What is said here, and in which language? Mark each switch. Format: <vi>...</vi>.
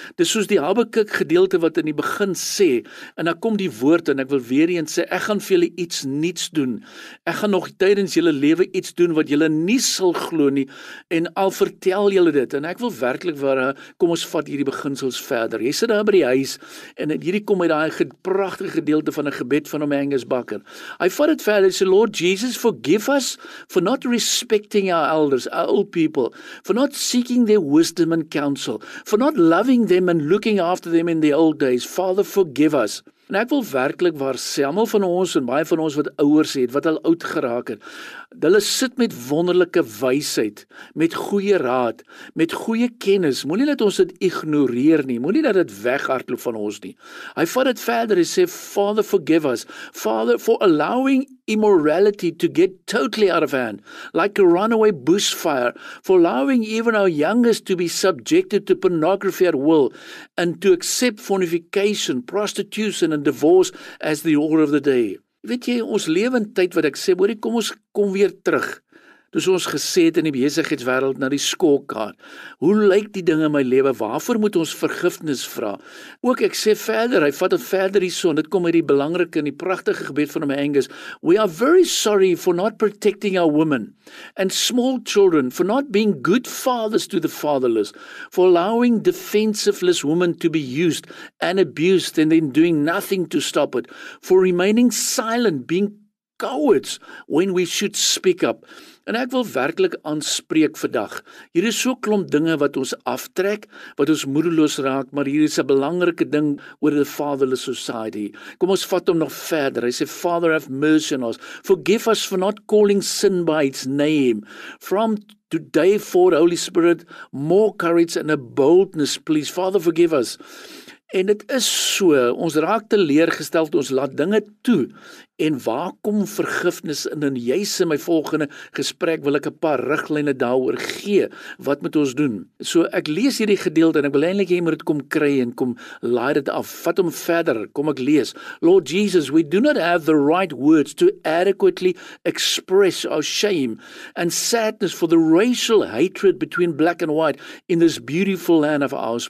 <af>Dis soos die Habakuk gedeelte wat in die begin sê, en dan kom die woord en ek wil weer eens sê, ek gaan vir julle iets niets doen. Ek gaan nog tydens julle lewe iets doen wat julle nie sal glo nie, en al vertel julle dit. En ek wil werklik waar, kom ons vat hierdie beginsels verder. Jy sit daar by die huis, en hierdie kom uit die prachtige gedeelte van 'n gebed van om Angus Bakken. Hy vat het verder, hy sê,</af> <en>Lord Jesus, forgive us for not respecting our elders, our old people, for not seeking their wisdom and counsel, for not loving them and looking after them in the old days. Father, forgive us.</en> <af>En ek wil werklik waar sê, almal van ons en baie van ons wat ouers het, wat al oud geraak het, hulle sit met wonderlike wysheid, met goeie raad, met goeie kennis. Moenie dat ons dit ignoreer nie, moenie dat dit weghardloop van ons nie. Hy vat het verder, hy sê,</af> <en>Father, forgive us. Father, for allowing immorality to get totally out of hand, like a runaway bushfire, for allowing even our youngest to be subjected to pornography at will, and to accept fornication, prostitution, and divorce as the order of the day.</en> <af>Weet jy, ons lewe in tyd wat ek sê, hoorie, kom ons kom weer terug. Dus ons gesê het in die besigheidswêreld na die skoolkaart. Hoe lyk die dinge in my lewe? Waarvoor moet ons vergifnis vra? Ook ek sê verder, hy vat het verder hierso, en dit kom uit die belangrike en die pragtige gebed van my Angus.</af> <en>We are very sorry for not protecting our women and small children, for not being good fathers to the fatherless, for allowing defensiveless women to be used and abused and then doing nothing to stop it, for remaining silent, being cowards when we should speak up.</en> <af>En ek wil werklik aanspreek vandag. Hier is so klomp dinge wat ons aftrek, wat ons moedeloos raak, maar hier is 'n belangrike ding oor</af> <en>the fatherless society.</en> <af>Kom ons vat hom nog verder. Hy sê,</af> <en>Father, have mercy on us. Forgive us for not calling sin by its name. From today forward, Holy Spirit, more courage and a boldness, please. Father, forgive us.</en> <af>En dit is so, ons raak teleurgesteld, ons laat dinge toe. En waar kom vergifnis in? En juist in my volgende gesprek wil ek 'n paar riglyne daaroor gee. Wat moet ons doen? So ek lees hierdie gedeelte en ek wil eintlik hê jy moet dit kom kry en kom laai dit af. Vat hom verder, kom ek lees.</af> <en>Lord Jesus, we do not have the right words to adequately express our shame and sadness for the racial hatred between black and white in this beautiful land of ours.</en>